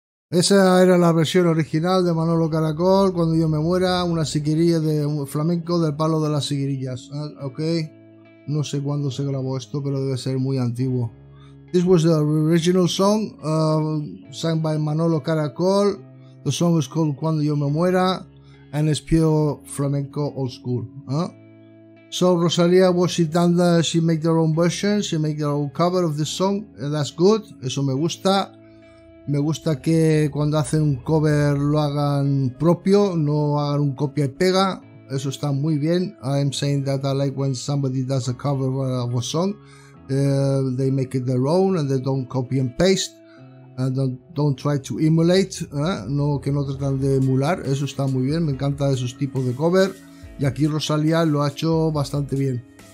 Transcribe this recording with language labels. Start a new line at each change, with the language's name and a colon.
Spanish: Esa era la versión original de Manolo Caracol, Cuando Yo Me Muera, una siguirilla de un flamenco del palo de las siguirillas. Ok, no sé cuándo se grabó esto, pero debe ser muy antiguo.
English: This was the original song, sang by Manolo Caracol. The song is called Cuando Yo Me Muera, and it's pure flamenco old school. So Rosalía, what she done, she make their own version, she make their own cover of this song, and that's good,
Spanish: eso me gusta. Me gusta que cuando hacen un cover lo hagan propio, no hagan un copia y pega. eso está muy bien.
English: I'm saying that I like when somebody does a cover of a song. They make it their own and they don't copy and paste. And don't try to emulate, no,
Spanish: que no tratan de emular. Eso está muy bien, me encanta esos tipos de cover. Y aquí Rosalía lo ha hecho bastante bien.